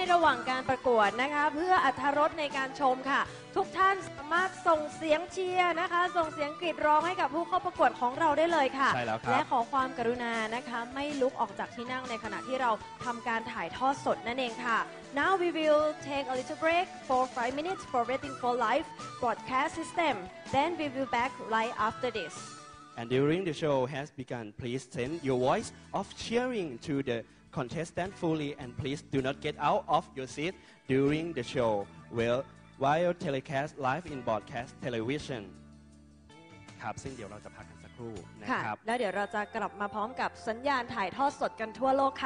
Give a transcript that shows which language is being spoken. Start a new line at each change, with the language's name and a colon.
Thai: และในระหว่างการประกวดนะคะเพื่ออรรถรสในการชมค่ะทุกท่านสามารถส่งเสียงเชียร์นะคะส่งเสียงกรีดร้องให้กับผู้เข้าประกวดของเราได้เลยค่ะ ใช่แล้วครับ และขอความกรุณานะคะไม่ลุกออกจากที่นั่งในขณะที่เราทำการถ่ายทอดสดนั่นเองค่ะ
English: Now we will take a little break for 5 minutes for Waiting for Life broadcast system then we will back right after this And during the show has begun, please send your voice of cheering to the contestant fully and please do not get out of your seat during the show while telecast live in broadcast television.
Thai: ครับซึ่งเดี๋ยวเราจะพักกันสักครู่นะครับ แล้วเดี๋ยวเราจะกลับมาพร้อมกับสัญญาณถ่ายทอดสดกันทั่วโลกค